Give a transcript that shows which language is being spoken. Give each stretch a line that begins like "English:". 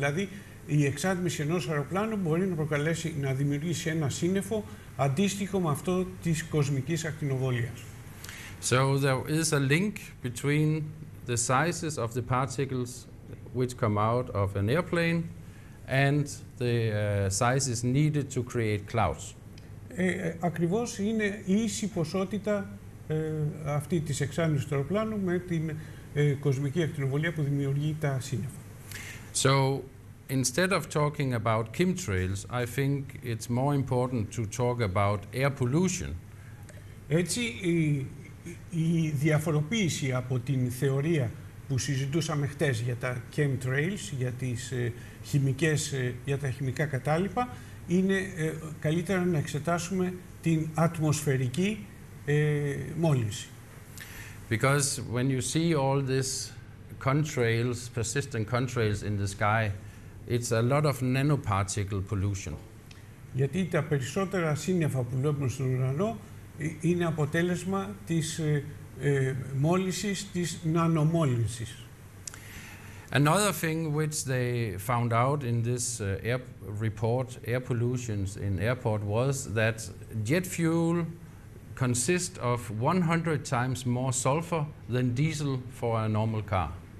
Greek: Δηλαδή, η εξάτμιση ενός αεροπλάνου μπορεί να προκαλέσει να δημιουργήσει ένα σύννεφο αντίστοιχο με αυτό της κοσμικής ακτινοβολίας.
English: So there is a link between the sizes of the particles which come out of an airplane and the sizes needed to create clouds.
Greek: Ακριβώς είναι ίση ποσότητα αυτή της εξάτμισης του αεροπλάνου με την κοσμική ακτινοβολία που δημιουργεί τα σύννεφα.
English: So instead of talking about chemtrails, I think it's more important to talk about air pollution.
Greek: Έτσι, η διαφοροποίηση από την θεωρία που συζητούσαμε χτες για τα chemtrails, για τις χημικές, για τα χημικά κατάλοιπα, είναι καλύτερα να εξετάσουμε την ατμοσφαιρική μόλυνση.
English: Because when you see all these contrails, persistent contrails in the sky, it's a lot of nanoparticle pollution.
Greek: Γιατί τα περισσότερα σύννεφα που βλέπουμε στον ουρανό είναι αποτέλεσμα της μόλυνσης, της νανομόλυνσης.
English: Another thing which they found out in this air report, air pollution in airport, was that jet fuel consists of 100 times more sulfur than diesel for a normal car.